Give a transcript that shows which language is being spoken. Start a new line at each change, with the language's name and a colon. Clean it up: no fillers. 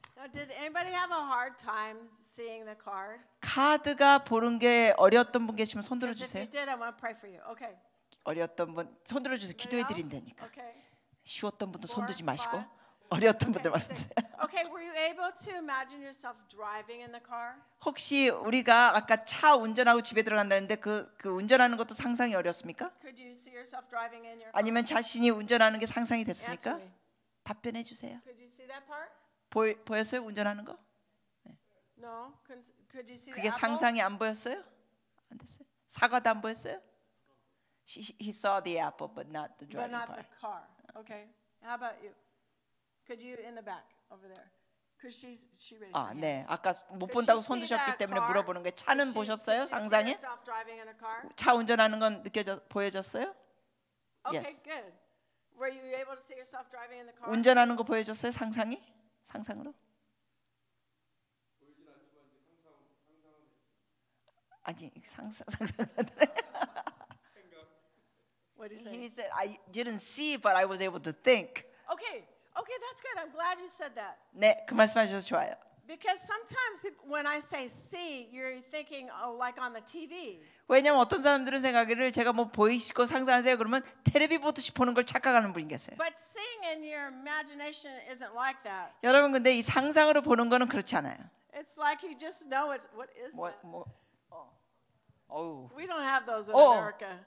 English: Now, did anybody have a hard time seeing the card?
Korean: 카드가 보는 게 어려웠던 분 계시면 손 들어 주세요.
English: If you did, I want to pray for you. Okay.
Korean: 어려웠던 분 손 들어 주세요. 기도해 드린다니까.
English: Okay.
Korean: 쉬웠던 분도 손 들지 마시고 어려웠던 분들 말씀하세요.
English: Okay, were you able to imagine yourself driving in the car?
Korean: 혹시 우리가 아까 차 운전하고 집에 들어간다는데 그 운전하는 것도 상상이 어렸습니까?
English: Could you see yourself driving in your car?
Korean: 아니면 자신이 운전하는 게 상상이 됐습니까? 답변해 주세요.
English: Could you see that part?
Korean: 보였어요 운전하는 거? 네.
English: No. Could you see?
Korean: 그게 상상이 안 보였어요? 안 됐어요. 사과도 안 보였어요?
English: He saw the apple, but not the driving part. But not the car. Okay. How about you? Could you in the back over there?
Korean: 아, 네. 아까 못 본다고 손 드셨기 때문에 물어보는 게 차는 보셨어요? 상상이? 차 운전하는 건 느껴져 보여졌어요?
English: Yes. Okay, good. Were you able to see yourself driving in the car?
Korean: 운전하는 거 보여줬어요? 상상이? 상상으로? 보이진 않지만 이제 상상하면 아니, 상상하면 돼. 생각.
English: What is it? He said, I didn't see, but I was able to think. Okay. Okay, that's good. I'm glad you said that.
Korean: 네, 그 말씀하셔서 좋아요.
English: Because sometimes people, when I say see, you're thinking oh, like on the TV.
Korean: 왜냐면 어떤 사람들은 생각을 제가 뭐 보이시고 상상하세요 그러면 텔레비 보듯이 보는 걸 착각하는 분이 계세요.
English: But seeing in your imagination isn't like that.
Korean: 여러분 근데 이 상상으로 보는 거는 그렇지 않아요.
English: It's like you just know it's what is what, that?
Korean: 뭐, 어.
English: We don't have those in 어, America.